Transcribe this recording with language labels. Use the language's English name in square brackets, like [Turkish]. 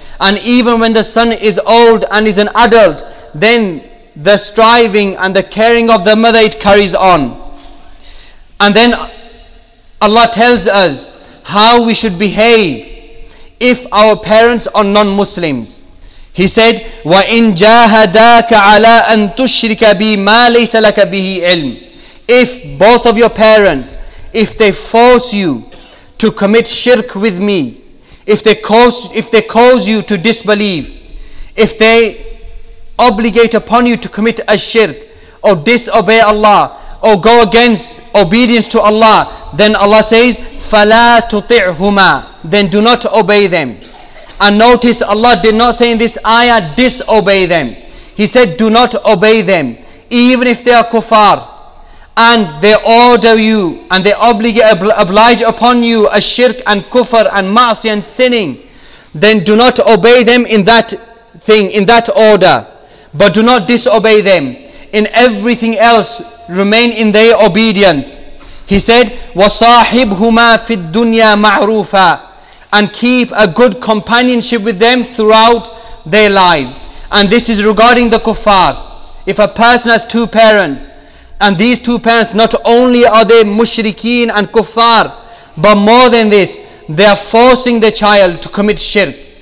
[English] And even when the son is old and is an adult, then the striving and the caring of the mother, it carries on. And then Allah tells us how we should behave if our parents are non-Muslims. He said, [Arabic] وَإِن جَاهَدَاكَ عَلَىٰ أَن تُشْرِكَ بِي مَا لَيْسَ لَكَ بِهِ عِلْمٍ. [English] If both of your parents, if they force you to commit shirk with me, if they cause you to disbelieve, if they obligate upon you to commit a shirk or disobey Allah or go against obedience to Allah, then Allah says, [Arabic] فَلَا تُطِعْهُمَا. [English] Then do not obey them. And notice Allah did not say in this ayah, disobey them. He said, do not obey them. Even if they are kuffar, and they order you, and they oblige upon you a shirk and kufr and ma'asi and sinning, then do not obey them in that thing, in that order. But do not disobey them. In everything else, remain in their obedience. He said, [Arabic] وَصَاحِبْهُمَا فِي الدُّنْيَا مَعْرُوفًا. [English] And keep a good companionship with them throughout their lives. And this is regarding the kuffar. If a person has two parents, and these two parents, not only are they mushrikeen and kuffar, but more than this, they are forcing the child to commit shirk.